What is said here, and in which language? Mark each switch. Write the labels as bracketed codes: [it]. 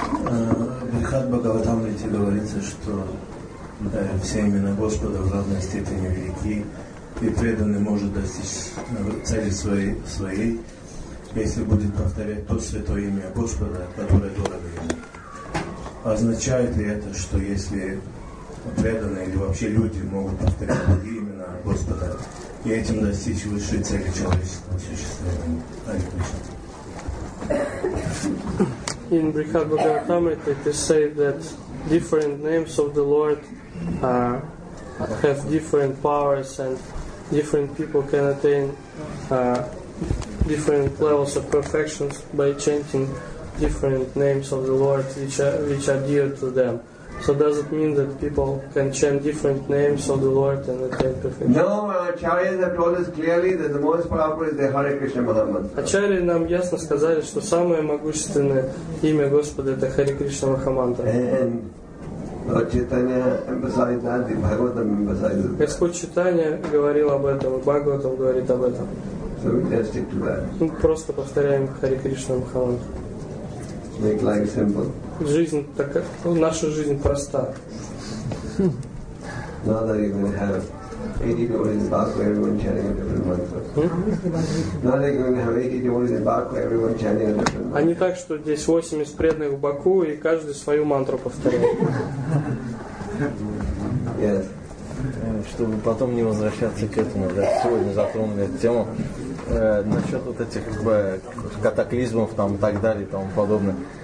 [ru] Бхагавад Бхагаватам Рите говорится, что все имена Господа в разной степени велики, и преданный может достичь цели своей, если будет повторять то святое имя Господа, которое дорого ему. Означает ли это, что если преданные или вообще люди могут повторять другие имена Господа и этим достичь высшей цели человеческого существования? [en] In Brihad Bhagavatamrita it is said that different names of the Lord have different powers and different people can attain different levels of perfections by chanting different names of the Lord which are dear to them. So does it mean that people can chant different names of the Lord and attain perfection? No, our acharyas have told us clearly that the most powerful is the Hare Krishna Mahamantra. [ru] Acharya нам ясно сказали, что самое могущественное имя Господа это Hare Krishna Mahamantra. [en] And Lord Chaitanya emphasized that, the Bhagavatam emphasized that. [ru] Господь Чайтанья говорил об этом, и Бхагаватам говорит об этом. [en] So we just stick to that. [ru] Мы просто повторяем Hare Krishna Mahamantra. [en] Make life simple. [ru] Жизнь так, наша жизнь проста. [en] Now that you can have 80 devotees in Baku, everyone chanting a different mantra. Now that you can have 80 devotees in Baku, everyone chanting a different mantra. [ru] А не так, что здесь 80 преданных в Баку и каждый свою мантру повторяет. [en] Yes. [ru] Чтобы потом не возвращаться к этому, да, сегодня затронули эту тему. Насчет вот этих катаклизмов там и так далее и тому подобное.